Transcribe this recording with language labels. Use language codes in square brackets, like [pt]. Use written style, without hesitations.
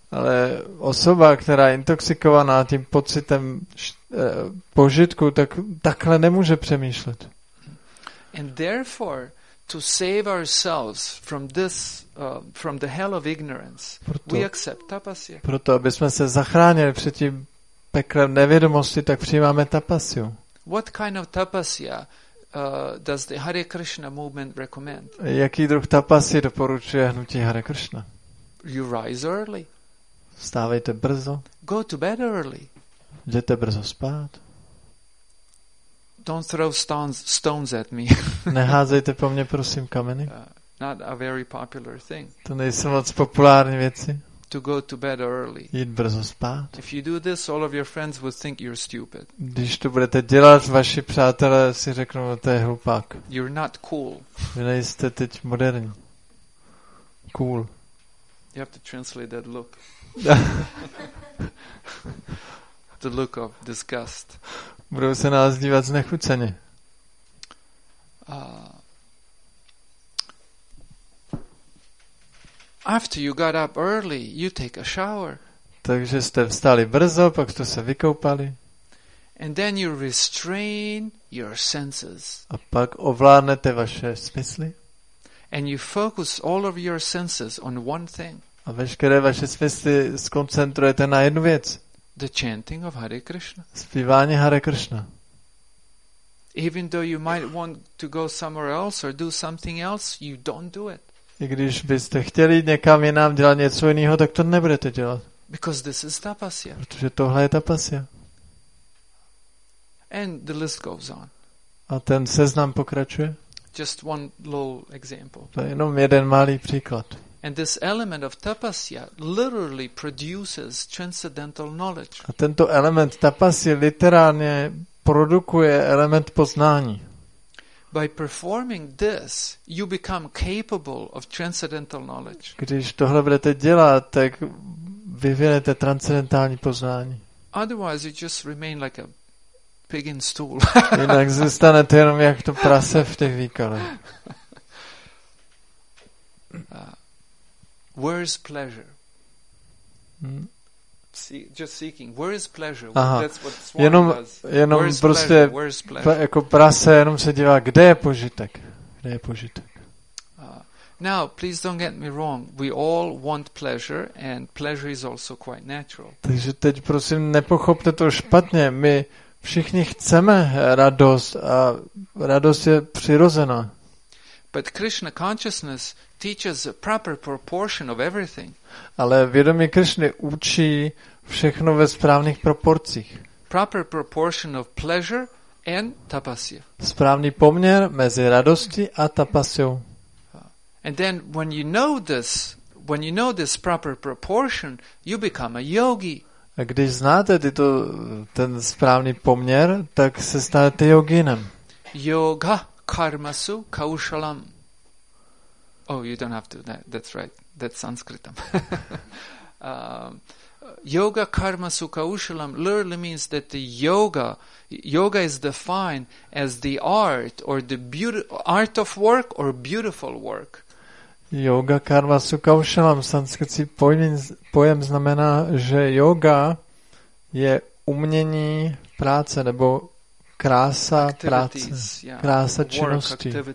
[cs] Ale osoba, která je intoxikovaná tím pocitem požitku, tak takhle nemůže přemýšlet. [en] And therefore to save ourselves from this from the hell of ignorance, [cs] proto, [en] we accept tapasya. [cs] Proto abychom se zachránili před tím peklem nevědomosti, tak přijímáme tapasyu. [en] What kind of tapasya does the Hare Krishna movement recommend? [cs] Jaký druh tapasy doporučuje hnutí Hare Krishna? [en] You rise early. [cs] Vstávejte brzo. [en] Go to bed early. [cs] Jděte brzo spát. [en] Don't throw stones at me. [cs] Neházejte po mně prosím kameny. [en] Not a very popular thing. [cs] To nejsou moc populární věci. [en] To go to bed early. [cs] Jít brzo spát. [en] If you do this, all of your friends will think you're stupid. [cs] Když to budete dělat, vaši přátelé si řeknou, to je hlupák. [en] You're not cool. [cs] Vy nejste teď moderní. Cool. [en] You have to translate that look. The look of disgust. [cs] Budou se nás dívat znechuceně. [en] After you got up early, you take a shower. [cs] Takže jste vstali brzo, pak jste se vykoupali. [en] And then you restrain your senses. [cs] A pak ovládnete vaše smysly. [en] And you focus all of your senses on one thing. [cs] A veškeré vaše smysly skoncentrujete na jednu věc. [en] The chanting of Hare Krishna. [cs] Zpívání Hare Krishna. [en] Even though you might want to go somewhere else or do something else, you don't do it. [cs] I když byste chtěli někam jinam dělat něco jiného, tak to nebudete dělat. [en] Because this is tapasya. [cs] Protože tohle je tapasya. [en] And the list goes on. [cs] A ten seznam pokračuje. [en] Just one little example. [cs] To je jenom jeden malý příklad. [en] And this element of tapasya literally produces transcendental knowledge. [cs] A tento element tapasy literálně produkuje element poznání. [en] By performing this, you become capable of transcendental knowledge. [cs] Když tohle budete dělat, tak vyvinete transcendentální poznání. [en] Otherwise you just remain like a pig in stool. [cs] Jinak zůstanete jenom jak to prase v těch výkalech. [en] Where is pleasure? Just seeking. Where is pleasure? Aha. That's what swan [cs] jenom, [en] does. [cs] Jenom [en] where is [cs] prostě [en] where is [cs] jako prase jenom se dívá, kde je požitek? Kde je požitek? [en] Now, please don't get me wrong. We all want pleasure, and pleasure is also quite natural. [cs] Takže teď prosím nepochopte to špatně. My všichni chceme radost a radost je přirozená. [en] But Krishna consciousness teaches a proper proportion of everything. [cs] Ale vědomí Krishny učí všechno ve správných proporcích. [en] Proper proportion of pleasure and tapasya. [cs] Správný poměr mezi radostí a tapasyou. [en] And then when you know this proper proportion, you become a yogi. [cs] A když znáte tyto, ten správný poměr, tak se stanete yoginem. [sa] Yoga karmasu kaushalam. [en] Oh, you don't have to. That's right. That's Sanskritam. [sa] Yoga karmasu kaushalam [en] literally means that the yoga is defined as the art or the beauty, art of work or beautiful work. [sa] Yoga karma sukaušalam, [cs] sanskritský pojem znamená, že yoga je umění práce nebo krása práce, krása činnosti.